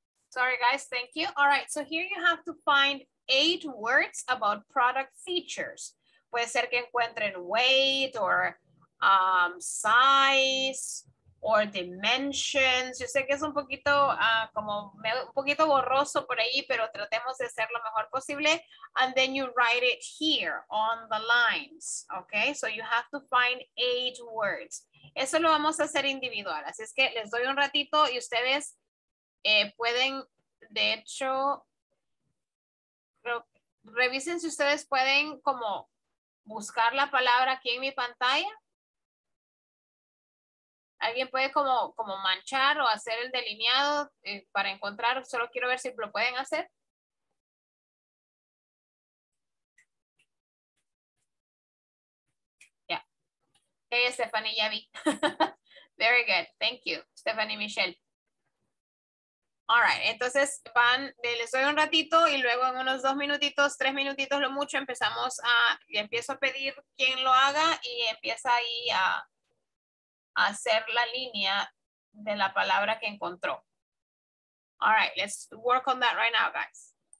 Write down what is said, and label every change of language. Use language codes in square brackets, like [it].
[en] Sorry, guys, thank you. All right, so here you have to find 8 words about product features. [es] Puede ser que encuentren [en] weight or size or dimensions. [es] Yo sé que es un poquito un poquito borroso por ahí, pero tratemos de hacer lo mejor posible. [en] And then you write it here on the lines, okay? So you have to find 8 words. [es] Eso lo vamos a hacer individual. Así es que les doy un ratito y ustedes pueden, de hecho, revisen si ustedes pueden como buscar la palabra aquí en mi pantalla. Alguien puede como manchar o hacer el delineado para encontrar. Solo quiero ver si lo pueden hacer. [en] Ya. Yeah. Hey, Stephanie, [es] ya vi. [en] Very good. Thank you, Stephanie Michelle. All right, [es] entonces van, les doy un ratito y luego en unos 2 minutitos, 3 minutitos lo mucho, empezamos a, y empiezo a pedir quien lo haga y empieza ahí a hacer la línea de la palabra que encontró. [en] All right, let's work on that right now, guys.